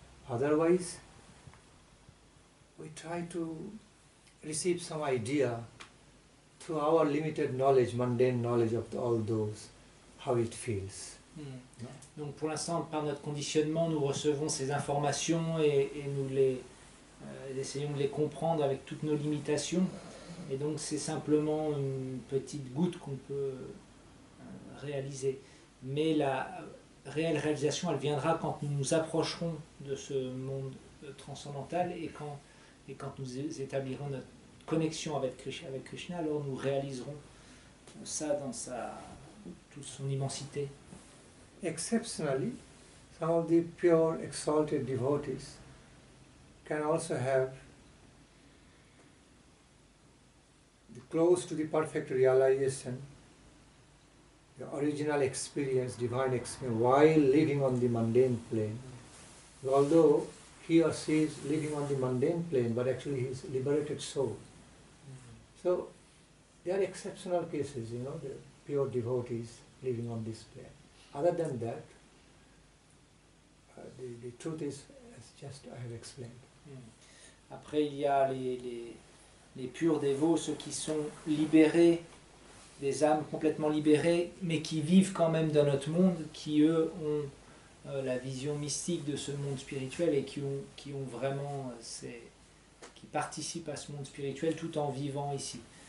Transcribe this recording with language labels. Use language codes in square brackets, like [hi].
[en] Otherwise, we try to receive some idea through our limited knowledge, mundane knowledge of all those, how it feels. [fr] Donc pour l'instant, par notre conditionnement, nous recevons ces informations et nous essayons de les comprendre avec toutes nos limitations. Et donc c'est simplement une petite goutte qu'on peut réaliser. Mais la réelle réalisation, elle viendra quand nous nous approcherons de ce monde transcendantal et quand nous établirons notre connexion avec Krishna, alors nous réaliserons ça dans toute son immensité. [en] Exceptionally, some of the pure exalted devotees can also have the close to the perfect realization, the original experience, divine experience, while living on the mundane plane. Although he or she is living on the mundane plane, but actually he is a liberated soul. So, they are exceptional cases, the pure devotees living on this plane. Other than that, the truth is as just I have explained. [fr] Après, il y a les purs dévots, ceux qui sont libérés, des âmes complètement libérées, mais qui vivent quand même dans notre monde, qui eux ont la vision mystique de ce monde spirituel et qui ont vraiment qui participent à ce monde spirituel tout en vivant ici.